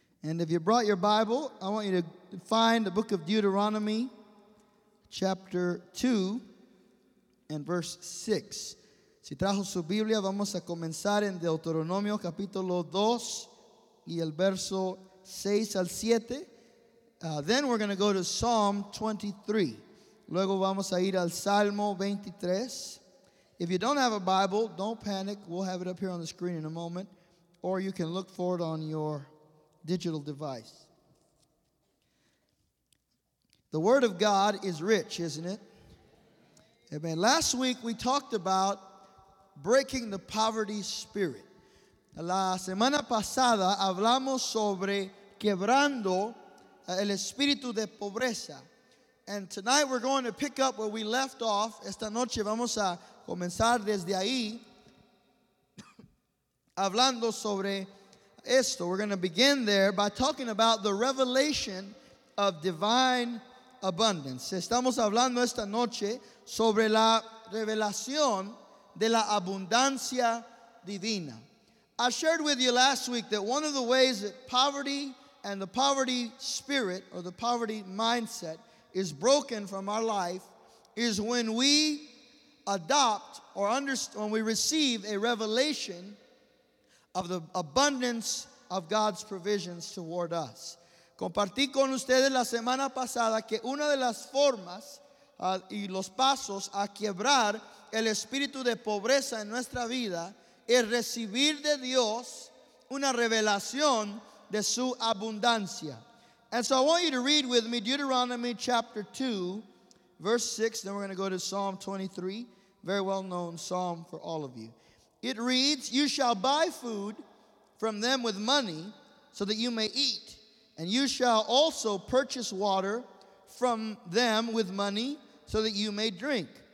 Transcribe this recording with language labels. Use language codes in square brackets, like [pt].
[en] And if you brought your Bible, I want you to find the book of Deuteronomy, chapter 2, and verse 6. [es] Si trajo su Biblia, vamos a comenzar en Deuteronomio, capítulo 2, y el verso 6 al 7. [en] Then we're going to go to Psalm 23. [es] Luego vamos a ir al Salmo 23. [en] If you don't have a Bible, don't panic. We'll have it up here on the screen in a moment. Or you can look for it on your digital device. The Word of God is rich, isn't it? Amen. Last week we talked about breaking the poverty spirit. [es] La semana pasada hablamos sobre quebrando el espíritu de pobreza. [en] And tonight we're going to pick up where we left off. [es] Esta noche vamos a comenzar desde ahí hablando sobre esto. [en] We're going to begin there by talking about the revelation of divine abundance. [es] Estamos hablando esta noche sobre la revelación de la abundancia divina. [en] I shared with you last week that one of the ways that poverty and the poverty spirit or the poverty mindset is broken from our life is when we adopt or understand, when we receive a revelation of the abundance of God's provisions toward us. [es] Compartí con ustedes la semana pasada que una de las formas y los pasos a quebrar el espíritu de pobreza en nuestra vida es recibir de Dios una revelación de su abundancia. [en] And so I want you to read with me Deuteronomy chapter 2, verse 6. Then we're going to go to Psalm 23, very well known psalm for all of you. It reads, "You shall buy food from them with money so that you may eat, and you shall also purchase water from them with money so that you may drink.